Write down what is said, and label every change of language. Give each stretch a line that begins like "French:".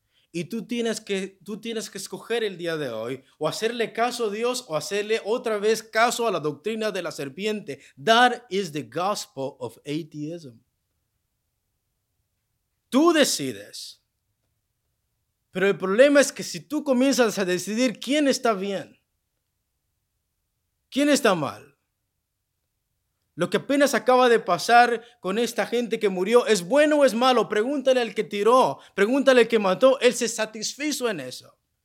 Spanish: Y tú tienes que escoger el día de hoy o hacerle caso a Dios o hacerle otra vez caso a la doctrina de la serpiente.
English: That is the gospel of atheism.
Spanish: Tú decides. Pero el problema es que si tú comienzas a decidir quién está bien, quién está mal, lo que apenas acaba de pasar con esta gente que murió, ¿es bueno o es malo? Pregúntale al que tiró, pregúntale al que mató, él se satisfizo en eso.